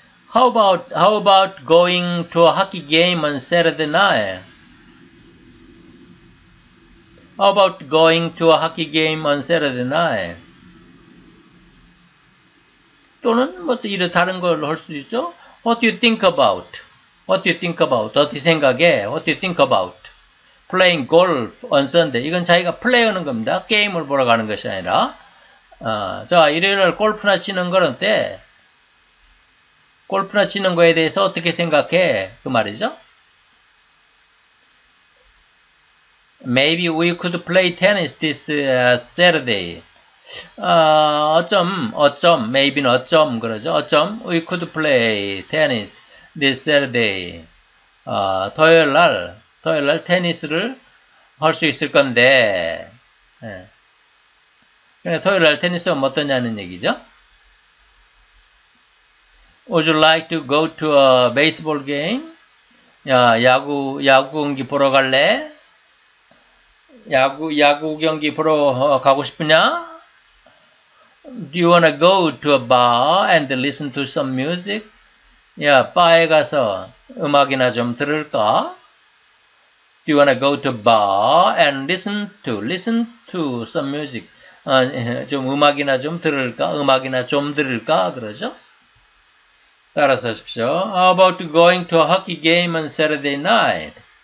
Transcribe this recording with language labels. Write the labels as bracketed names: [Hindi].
[English] How about going to a hockey game on Saturday night? How about going to a hockey game on Saturday night? [Korean] 또는 뭐 이런 다른 걸 할 수도 있죠. [English] What do you think about? What do you think about? [Korean] 어떻게 생각해? [English] What do you think about? Playing golf on Sunday. [Korean] 이건 자기가 플레이하는 겁니다. 게임을 보러 가는 것이 아니라. 자, 일요일에 골프나 치는 건 어때? 골프나 치는 거에 대해서 어떻게 생각해? 그 말이죠. [English] Maybe we could play tennis this Saturday. [Korean] 어쩜, maybe는 어쩜 그러죠. 어쩜, [English] we could play tennis this Saturday. [Korean] 토요일 날 테니스를 할 수 있을 건데, 예. 토요일 날 테니스가 어떠냐는 얘기죠. [English] Would you like to go to a baseball game? [Korean] 야구 경기 보러 갈래? 야구 경기 보러 가고 싶으냐? [English] Do you wanna go to a bar and listen to some music? [Korean] 야, 바에 가서 음악이나 좀 들을까? [English] Do you wanna go to bar and listen to some music? [Korean] 좀 음악이나 좀 들을까? 음악이나 좀 들을까? 그러죠? 따라서 하십시오. [English] How about going to a hockey game on Saturday night?